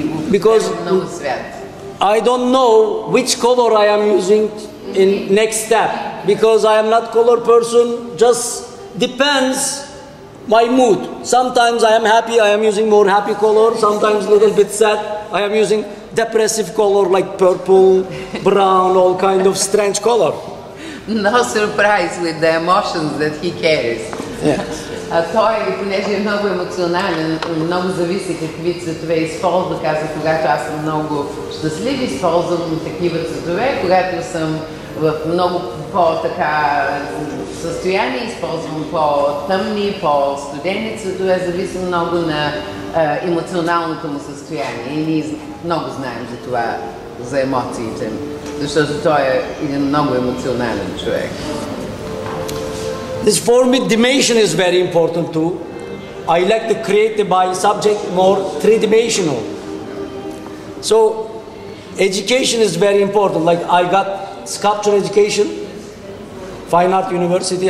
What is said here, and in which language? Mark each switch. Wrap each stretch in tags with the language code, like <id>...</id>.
<en>Because I don't know which color I am using in next step, because I am not color person, just depends my mood. Sometimes I am happy, I am using more happy color. Sometimes a little bit sad, I am using depressive color like purple, brown, all kind of strange color. No surprise with the emotions that he carries. Yes.</en> <bg>Той, понеже е много емоционален, много зависи какви цветове използва, каза, когато аз съм много щастлив, използвам такива цветове, когато съм в много по-така състояние, използвам по-тъмни, по-студени цветове, зависи много на емоционалното му състояние. И ние много знаем за това, за емоциите, защото той е един много емоционален човек.</bg> <en>This for me, dimension is very important too. I like to create my subject more three-dimensional. So education is very important. Like I got sculpture education, Fine Art University.</en>